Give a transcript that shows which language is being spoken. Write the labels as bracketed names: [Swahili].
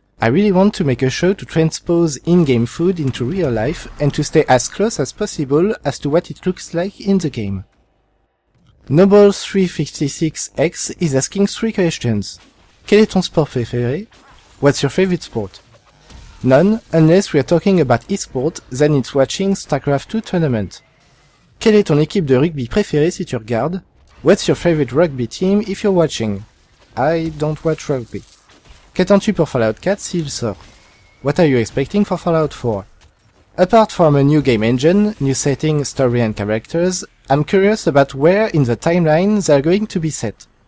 [English] I really want to make a show to transpose in-game food into real life and to stay as close as possible as to what it looks like in the game. Noble356x is asking three questions. [French] Quel est ton sport préféré? [English] What's your favorite sport? None, unless we are talking about e-sport, then it's watching StarCraft 2 tournament. [French] Quelle est ton équipe de rugby préférée si tu regardes? [English] What's your favorite rugby team if you're watching? I don't watch rugby. [French] Qu'attends-tu pour Fallout 4 s'il sort? [English] What are you expecting for Fallout 4? Apart from a new game engine, new setting, story and characters, I'm curious about where in the timeline they are going to be set.